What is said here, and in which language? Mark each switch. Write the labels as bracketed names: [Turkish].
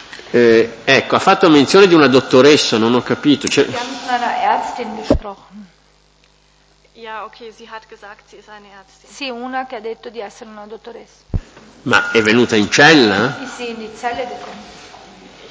[Italian] Ecco, ha fatto menzione di una dottoressa, non ho capito. [German] Sie haben von einer Ärztin gesprochen. Ja, okay, sie hat gesagt, sie ist eine Ärztin. [Italian] Sì, una che ha detto di essere una dottoressa. Ma è venuta in cella? [German] Sì, in die Zelle gekommen.